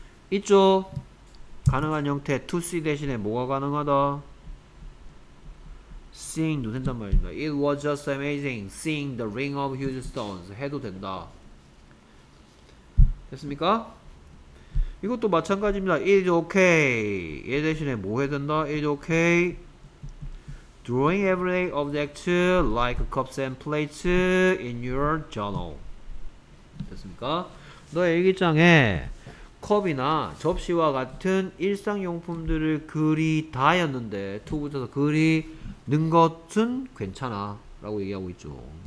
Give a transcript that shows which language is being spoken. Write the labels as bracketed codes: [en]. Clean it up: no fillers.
[ko] 있죠. 가능한 형태 to see 대신에 뭐가 가능하다? [en] seeing도 [ko] 된단 말입니다. [en] It was just amazing seeing the ring of huge stones [ko] 해도 된다. 됐습니까? 이것도 마찬가지입니다. [en] It is okay [ko] 얘 대신에 뭐 해야 된다? [en] It is okay drawing everyday objects like cups and plates in your journal. [ko] 됐습니까? 너의 일기장에 컵이나 접시와 같은 일상용품들을 그리다였는데 to 붙여서 그리는 것은 괜찮아 라고 얘기하고 있죠.